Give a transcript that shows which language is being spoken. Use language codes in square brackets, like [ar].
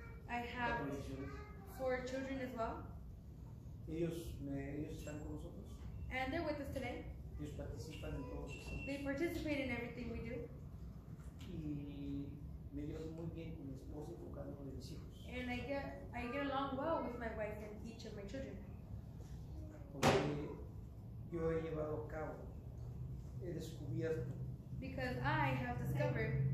[en] I have four children as well. [es] Ellos están con nosotros. [en] And they're with us today. [es] Ellos participan en todos. [en] They participate in everything we do. [es] Y me llevo muy bien con mi esposa y con cada uno de mis hijos. [en] And I get along well with my wife and each of my children. [es] Porque yo he llevado a cabo. He descubierto. [en] Because I have discovered.